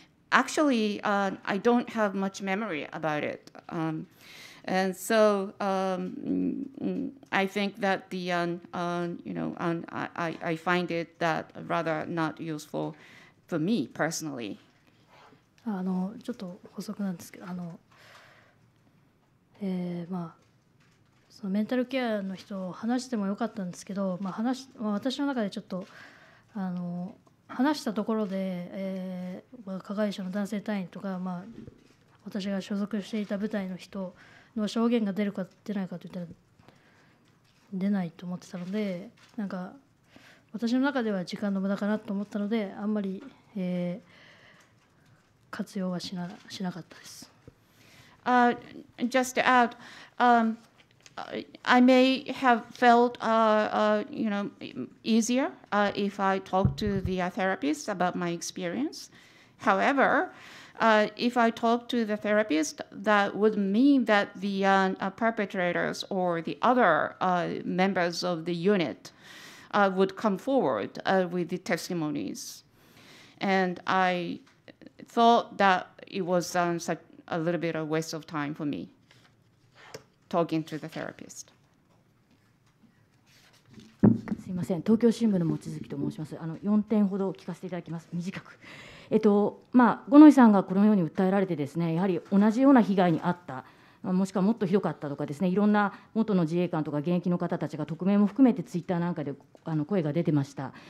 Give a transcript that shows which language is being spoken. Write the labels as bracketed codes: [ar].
[en] Actually, I don't have much memory about it. And so I think that the, I find it that rather not useful for me personally. [ja] あのちょっと補足なんですけど、あの、まあ、そのメンタルケアの人を話してもよかったんですけど、まあ話まあ、私の中でちょっとあの話したところで、まあ、加害者の男性隊員とか、まあ、私が所属していた部隊の人の証言が出るか出ないかといったら出ないと思ってたので、なんか私の中では時間の無駄かなと思ったので、あんまり、活用はしなかったです。 [en] Just to add, I may have felt you know, easier if I talked to the therapist about my experience. However, if I talked to the therapist, that would mean that the perpetrators or the other members of the unit would come forward with the testimonies. And I thought that it was such a little bit of a waste of time for me talking to the therapist. [ja] すいません、東京新聞の望月と申します。あの4点ほど聞かせていただきます。短く。まあ、五ノ井さんがこのように訴えられてですね、やはり同じような被害に遭った、まあ、もしくはもっとひどかったとかですね、いろんな元の自衛官とか現役の方たちが匿名も含めてツイッターなんかであの声が出てました。